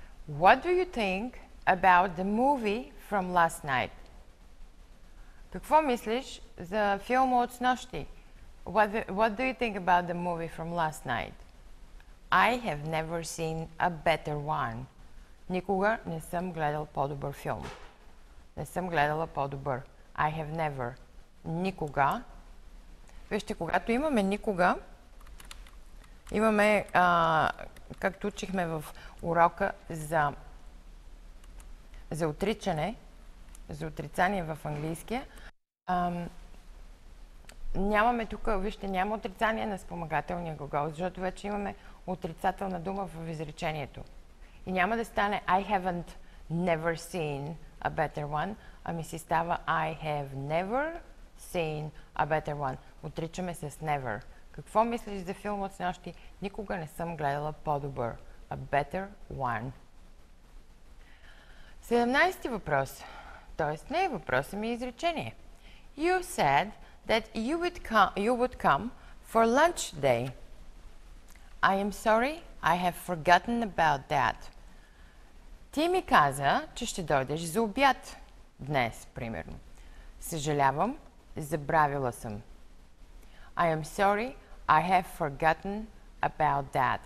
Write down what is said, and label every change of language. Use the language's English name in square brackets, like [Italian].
[English] What do you think about the movie from last night? [Bulgarian] Какво мислиш за филма от снощи? [English] What do you think about the movie from last night? I have never seen a better one. [Bulgarian] Никога не съм гледал по-добър филм. Не съм гледала по-добър. [English] I have never. [Bulgarian] Никога. Вижте, когато имаме никога, имаме, както учихме в урока за отричане, за отрицание в английския, нямаме тук, вижте, няма отрицание на спомагателния глагол, защото вече имаме отрицателна дума в изречението. И няма да стане [English] I haven't never seen a better one, [Bulgarian] ами си става [English] I have never seen a better one. [Bulgarian] Отричаме с never. Какво мислиш за филм от снощи? Никога не съм гледала по-добър. [English] A better one. [Bulgarian] 17-ти въпрос. Тоест не е въпросът ми, изречение. [English] You said that you would come for lunch today. I am sorry, I have forgotten about that. [Bulgarian] Ти ми каза, че ще дойдеш за обяд днес, примерно. Съжалявам, забравила съм. [English] I am sorry, I have forgotten about that.